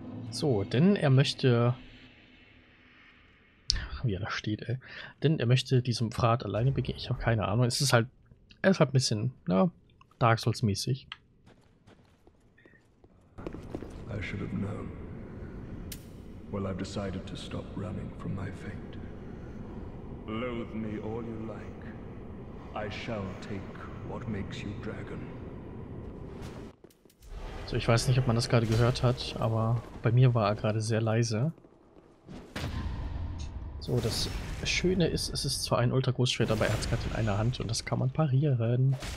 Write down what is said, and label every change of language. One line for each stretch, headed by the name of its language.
German: So, denn er möchte... Wie er da steht, ey. Denn er möchte diesem Pfad alleine begehen. Ich habe keine Ahnung. Es ist halt... Er ist halt ein bisschen, ja, Dark Souls-mäßig.
English: I should have known. Well, I've decided to stop running from my fate. Loathe me all you like. I shall take what makes you dragon.
German: So, ich weiß nicht, ob man das gerade gehört hat, aber bei mir war er gerade sehr leise. So, das Schöne ist, es ist zwar ein Ultra-Großschwert, aber er hat es gerade in einer Hand und das kann man parieren.